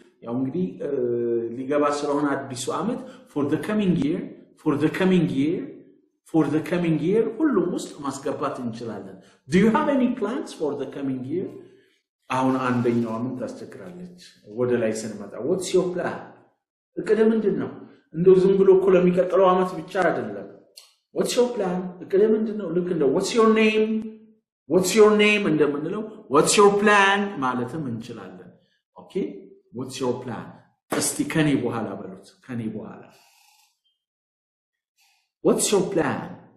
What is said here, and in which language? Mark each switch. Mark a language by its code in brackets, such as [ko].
[am] ያው እንግዲህ ሊገባ ስለሆነ አዲሱ አመት [en] for the coming year [am] for the coming year for the coming year ሁሉም ውስጥ ማስገባት እንችላለን. [en] Do you have any plans for the coming year? [am] አሁን አንደኛው ምን ታስተክራለች? ወደ ላይ ስንመጣ [en] what's your plan? [am] እቅድ ምንድነው? እንደው ዝም ብሎ እኮ ለሚቀጥለው አመት ብቻ አይደለም. [en] What's your plan? [am] እቅድ ምንድነው? ልክ እንደ [en] what's your name? What's your name and then below? What's your plan? [am] ማለትም እንችላለን. [en] Okay? What's your plan? [am] እስቲ ከኔ በኋላ በሉት. ከኔ በኋላ. [en] What's your plan?